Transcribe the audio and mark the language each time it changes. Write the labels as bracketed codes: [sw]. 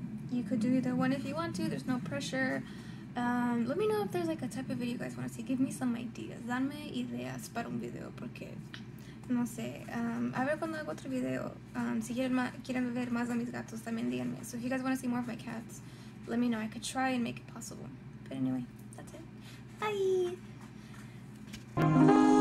[en] You could do either one if you want to, there's no pressure. Let me know if there's like a type of video you guys want to see. Give me some ideas. [es] Danme ideas para un video porque no sé. A ver cuando hago otro video. Si quieren ver más de mis gatos, también díganme. [en] So if you guys want to see more of my cats, let me know. I could try and make it possible. But anyway, that's it. Bye!